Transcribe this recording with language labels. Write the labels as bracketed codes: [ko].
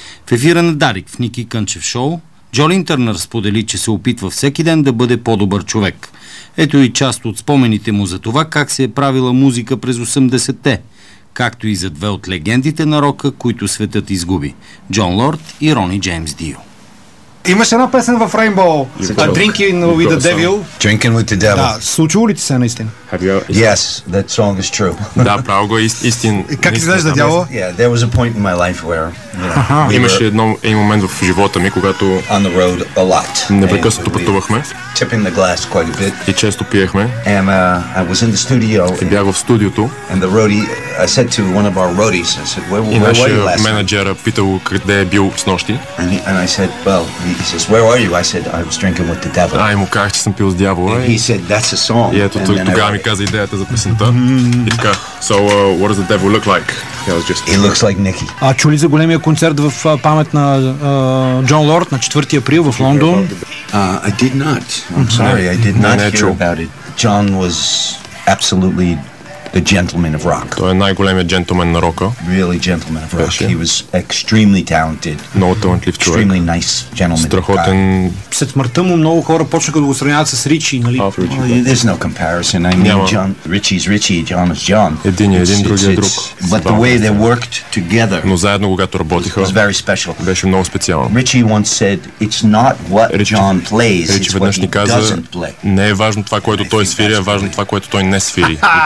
[bg] В ефира на Дарик в Ники Кънчев шоу, Джолин Търнър сподели, че се опитва всеки ден да бъде по-добър човек. Ето и част от спомените му за това, как се е правила музика през 80-те, както и за две от легендите на рока, които светът изгуби – Джон Лорд и Рони Джеймс Дио. Имаше една песен в Rainbow, [en] Drinking with the Devil. Drinking with the Devil. [bg] Да, случило ли ти се наистина? [en] Yes, that song is true. [bg] Да, право го е истин. Как изглежда дявола? [en] Yeah, there was a point in my life where... [bg] Имаше един момент в живота ми, когато... [en] On the road a lot. [bg] Непрекъснато пътувахме. [en] Tipping the glass quite a bit. [bg] И често пиехме. [en] And I was in the studio. [bg] И бях в студиото. [en] And the roadie, I said to one of our roadies, I said, where were you last night? [bg] И нашия менеджера питал къде е бил снощи. [en] And I said, well... He says, where are you? I said, I was drinking with the devil. [bg] Ай, му казах, че съм пил с дявола. [en] He said, that's a song. [bg] И ето тогава ми каза идеята за песента. И така, [en] so what does the devil look like? He looks like Nicky. [bg] А чули за големия концерт в памет на Джон Лорд на 4 април в Лондон? [en] I did not. I'm sorry, I did not hear about it. John was absolutely the gentleman of rock. [bg] Той е най-големият джентлмен на рока. [en] Really gentleman of rock. He was extremely talented. [bg] Много талантлив човек. [en] Extremely nice gentleman. [bg] Страхотен. След смъртта му много хора почнаха да го сравняват с Ричи, нали? [en] There's no comparison. I mean, John, Richie's Richie, John is John. [bg] Един, другият друг. [en] But the way they worked together. [bg] Но заедно когато работиха. [en] Was very special. [bg] Беше много специално. [en] Richie once said, it's not what John plays, it's what he doesn't play. [bg] Не е важно това, което той свири, а важно това, което той не свири.